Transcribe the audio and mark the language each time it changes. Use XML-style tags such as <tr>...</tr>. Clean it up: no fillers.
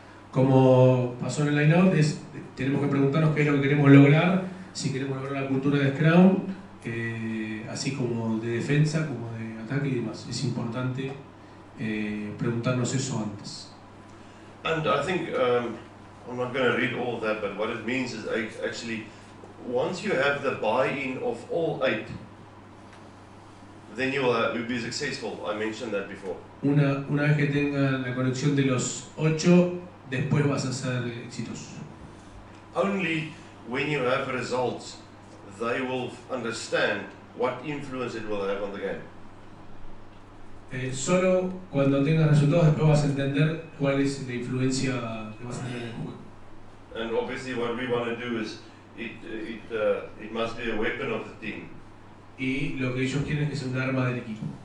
<es>Como pasó en el line-out, tenemos que preguntarnos qué es lo que queremos lograr, si queremos lograr la cultura de Scrum, así como de defensa, como de ataque y demás. Es importante preguntarnos eso antes.</es> <en>And I think, I'm not going to read all that, but what it means is actually, once you have the buy-in of all eight, then you'll be successful. I mentioned that before.</en> <es>Una vez que tenga la conexión de los ocho, después vas a ser exitoso.</es> <en>Only when you have results, they will understand what influence it will have on the game.</en> <es>Solo cuando tengas resultados después vas a entender cuál es la influencia que vas a tener en el juego.</es> <en>And obviously what we want to do is it must be a weapon of the team.</en> <es>Y lo que ellos quieren es que sea un arma del equipo.</es>